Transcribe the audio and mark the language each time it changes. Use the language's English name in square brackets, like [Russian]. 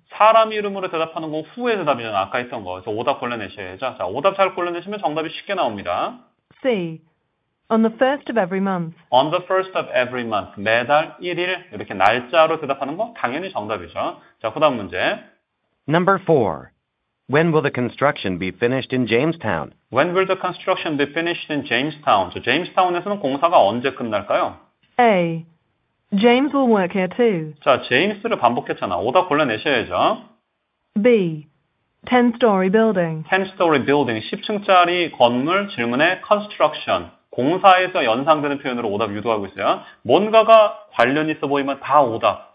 [Korean] 사람 이름으로 대답하는 건 후의 대답이잖아, 아까 했던 거. 그래서 오답 골라내셔야죠. 자, 오답 잘 골라내시면 정답이 쉽게 나옵니다. [English] C. On the first of every month. On the first of every month. [Korean] 매달 1일 이렇게 날짜로 대답하는 거 당연히 정답이죠. 자, 그 다음 문제. [English] Number 4. When will the construction be finished in Jamestown? When will the construction be finished in Jamestown? [Korean] 저 제임스타운에서는 공사가 언제 끝날까요? [English] A. James will work here too. [Korean] 자, 제임스를 반복했잖아. 오답 골라내셔야죠. [English] B. 10-story building. 10-story building. [Korean] 10층짜리 건물 질문에 construction. 공사에서 연상되는 표현으로 오답 유도하고 있어요. 뭔가가 관련 있어 보이면 다 오답.